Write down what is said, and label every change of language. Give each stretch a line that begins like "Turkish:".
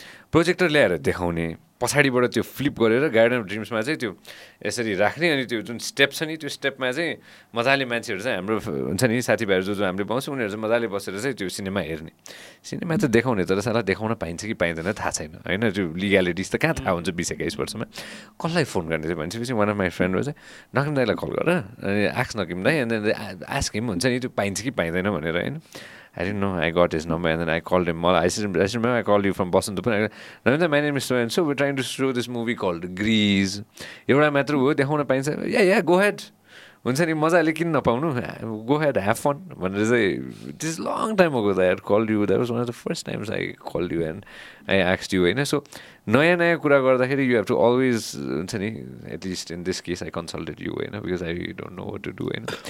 Nepali: Projector ल्याएर देखाउने पछाडिबाट त्यो फ्लिप गरेर गार्डन अफ ड्रिम्समा चाहिँ त्यो यसरी राख्ने अनि त्यो जुन स्टेप छ नि त्यो स्टेपमा चाहिँ मजाले मान्छेहरू चाहिँ हाम्रो हुन्छ नि साथीभाइहरू जो हामीले पाउँछौँ उनीहरू चाहिँ मजाले बसेर चाहिँ त्यो सिनेमा हेर्ने सिनेमा त देखाउने तर साला देखाउन पाइन्छ कि पाइँदैन थाहा छैन होइन त्यो लिगालिटिज त कहाँ थाहा हुन्छ 20-21 वर्षमा कसलाई फोन गर्ने थियो भनेपछि
English: one of my friend
Nepali: रहेछ नकिम दाईलाई कल गर अनि आक्स नकिम दाई अनि आस्क हिम हुन्छ नि त्यो पाइन्छ कि पाइँदैन भनेर होइन
English: I didn't know, I got his number and then I called him. I remember I called you from Boston. My name is so and so. We're trying to show this movie called Grease. Yeah, go ahead.
Nepali: हुन्छ नि मजाले किन नपाउनु
English: go had have fun भनेर चाहिँ this long time ago the had called you that was one of the first times I called you and I asked you
Nepali: होइन so नयाँ नयाँ कुरा गर्दाखेरि
English: you have to always हुन्छ नि at least in this case I consulted you होइन because I don't know what to do होइन